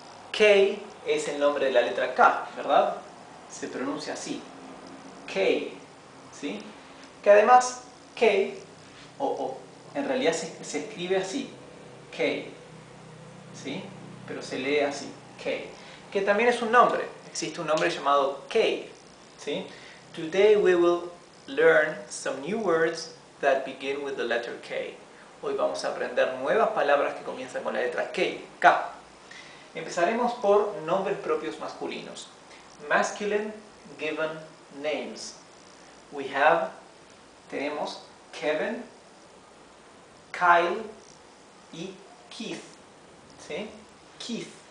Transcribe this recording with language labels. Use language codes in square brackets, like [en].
[es] K es el nombre de la letra K, ¿verdad? Se pronuncia así, K, ¿sí? Que además, K, en realidad se escribe así, K, ¿sí? Pero se lee así, K. Que también es un nombre, existe un nombre llamado K, ¿sí? [en] Today we will learn some new words that begin with the letter K. [es] Hoy vamos a aprender nuevas palabras que comienzan con la letra K, K. Empezaremos por nombres propios masculinos. [en] Masculine given names. [es] We have, tenemos Kevin, Kyle y Keith. ¿Sí? Keith.